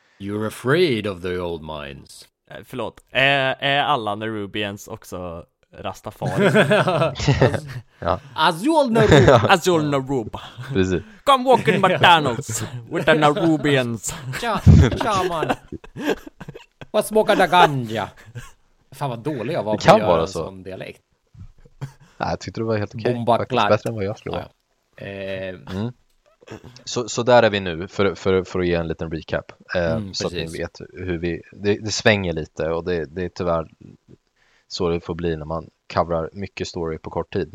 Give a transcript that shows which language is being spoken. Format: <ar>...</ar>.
<en>You're afraid of the old mines.</en> <sv>Förlåt, är alla Nerubians också rastafari? Azul Nerub, Azul Nerub. Precis.</sv> <en>Come walk in McDonald's with the Nerubians.</en> <sv>Tja, tja man. Vad smakar det ganja? Fan vad dålig jag var på att göra en sån dialekt. Nej, jag tyckte det var helt okej. Bombaklack. Bättre än vad jag skulle vara. Så där är vi nu för att ge en liten recap. Så precis. Att ni vet hur vi... Det svänger lite och det är tyvärr så det får bli när man coverar mycket story på kort tid.</sv>